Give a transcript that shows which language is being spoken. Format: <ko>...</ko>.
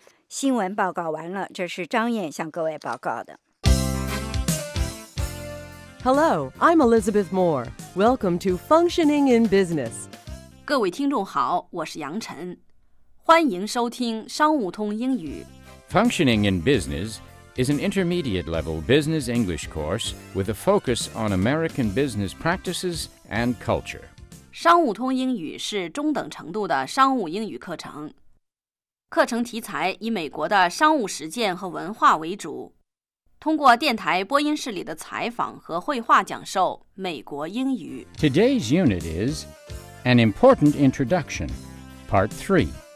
<zh>新闻报告完了，这是张燕向各位报告的。</zh> <en>Hello, I'm Elizabeth Moore. Welcome to Functioning in Business.</en> <zh>各位听众好，我是杨晨，欢迎收听商务通英语。</zh> <en>Functioning in Business is an intermediate level business English course with a focus on American business practices and culture.</en> <zh>商务通英语是中等程度的商务英语课程。课程题材以美国的商务实践和文化为主，通过电台播音室里的采访和绘画讲授美国英语。</zh> <en>Today's unit is An Important Introduction, Part 3.</en>